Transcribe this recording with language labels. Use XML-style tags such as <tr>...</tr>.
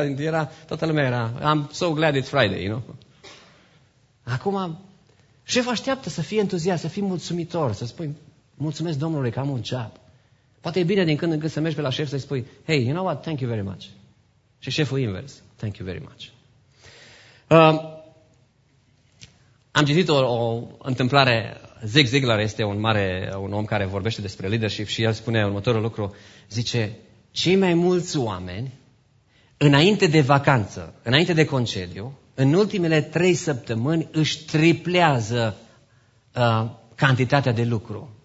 <ro>Era, toată lumea era,</ro> <en>I'm so glad it's Friday, you know?</en> <ro>Acum, șeful așteaptă să fie entuziast, să fii mulțumitor, să spui, mulțumesc Domnului că am un job. Poate e bine din când în când să mergi pe la șef să-i spui,</ro> <en>hey, you know what, thank you very much.</en> <ro>Și șeful invers,</ro> <en>thank you very much.</en> <ro>Am citit o întâmplare, Zig Ziglar este un om care vorbește despre leadership și el spune următorul lucru, zice, cei mai mulți oameni, înainte de vacanță, înainte de concediu, în ultimele 3 săptămâni își triplează cantitatea de lucru.</ro>